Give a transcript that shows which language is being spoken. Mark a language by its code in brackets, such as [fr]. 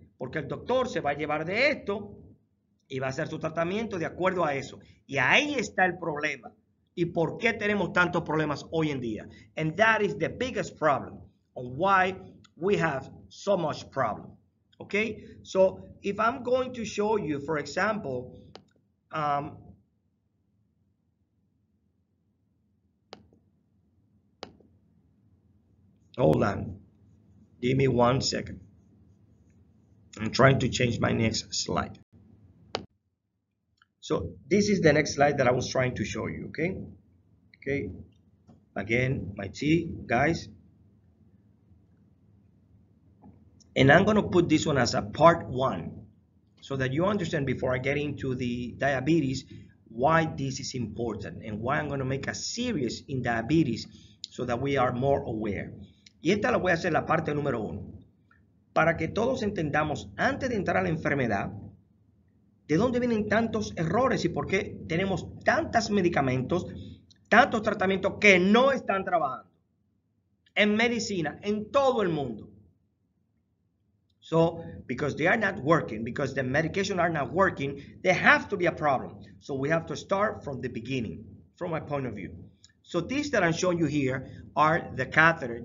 [es] Porque el doctor se va a llevar de esto y va a hacer su tratamiento de acuerdo a eso. Y ahí está el problema. ¿Y por qué tenemos tantos problemas hoy en día? [en] And that is the biggest problem on why we have so much problem. Okay? So, if I'm going to show you, for example, hold on, give me 1 second. I'm trying to change my next slide. So this is the next slide that I was trying to show you, okay? Okay, again, my tea, guys. And I'm gonna put this one as a part one so that you understand before I get into the diabetes, why this is important and why I'm gonna make a series in diabetes so that we are more aware. [es] Y esta la voy a hacer la parte número uno. Para que todos entendamos, antes de entrar a la enfermedad, de dónde vienen tantos errores y por qué tenemos tantos medicamentos, tantos tratamientos que no están trabajando en medicina, en todo el mundo. [en] So, because they are not working, because the medication are not working, there have to be a problem. So we have to start from the beginning, from my point of view. So these that I'm showing you here are the catheter.